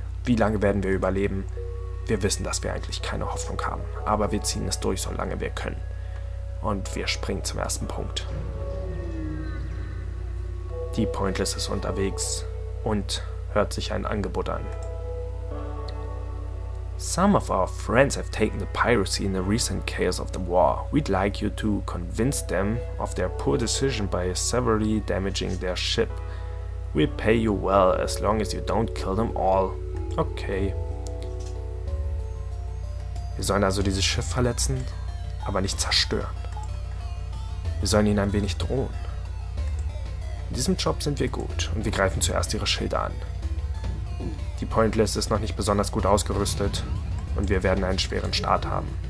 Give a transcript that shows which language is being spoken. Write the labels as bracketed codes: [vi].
[de] Wie lange werden wir überleben? Wir wissen, dass wir eigentlich keine Hoffnung haben, aber wir ziehen es durch, solange wir können. Und wir springen zum ersten Punkt. Die Pointless ist unterwegs und hört sich ein Angebot an. [en] Some of our friends have taken the piracy in the recent chaos of the war. We'd like you to convince them of their poor decision by severely damaging their ship. We'll pay you well as long as you don't kill them all. Okay. [de] Wir sollen also dieses Schiff verletzen, aber nicht zerstören. Wir sollen ihnen ein wenig drohen. In diesem Job sind wir gut und wir greifen zuerst ihre Schilde an. Die Pointless ist noch nicht besonders gut ausgerüstet und wir werden einen schweren Start haben.